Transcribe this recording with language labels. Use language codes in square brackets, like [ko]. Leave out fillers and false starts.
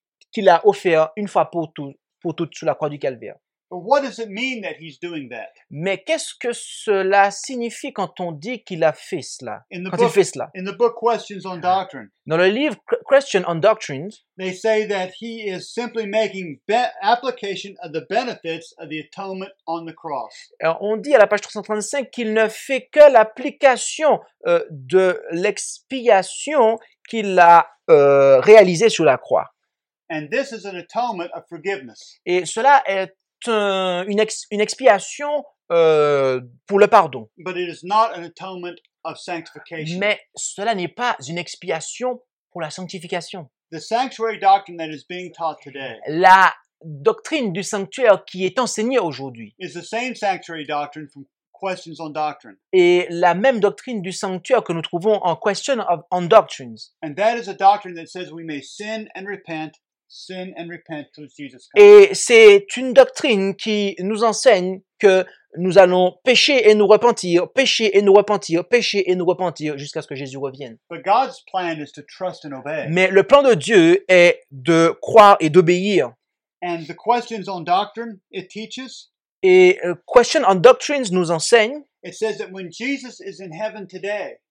[fr] Qu'il a offert une fois pour toutes sous la croix du calvaire. [en] But what does it mean that he's doing that? [fr] Mais qu'est-ce que cela signifie quand on dit qu'il a fait cela? [en] In the book Questions on Doctrine. [fr] Dans le livre Question on Doctrines. [en] They say that he is simply making application of the benefits of the atonement on the cross. [fr] Alors on dit à la page 335 qu'il ne fait que l'application de l'expiation qu'il a réalisé sur la croix. [en] And this is an atonement of forgiveness. [fr] Et cela est une expiation pour le pardon. [en] But it is not an atonement of sanctification. [fr] Mais cela n'est pas une expiation pour la sanctification. [en] The sanctuary doctrine that is being taught today. [fr] La doctrine du sanctuaire qui est enseignée aujourd'hui. [en] Is the same sanctuary doctrine from Questions on Doctrine. [fr] Et la même doctrine du sanctuaire que nous trouvons en Questions on Doctrines. [en] And that is a doctrine that says we may sin and repent. Sin and repent through Jesus Christ. [fr] Et c'est une doctrine qui nous enseigne que nous allons pécher et nous repentir, pécher et nous repentir, pécher et nous repentir jusqu'à ce que Jésus revienne. [en] But God's plan is to trust and obey. [fr] Mais le plan de Dieu est de croire et d'obéir. [en] And the questions on doctrine, it teaches, [fr] et question on doctrines nous enseigne. [en] It says that when Jesus is in heaven today,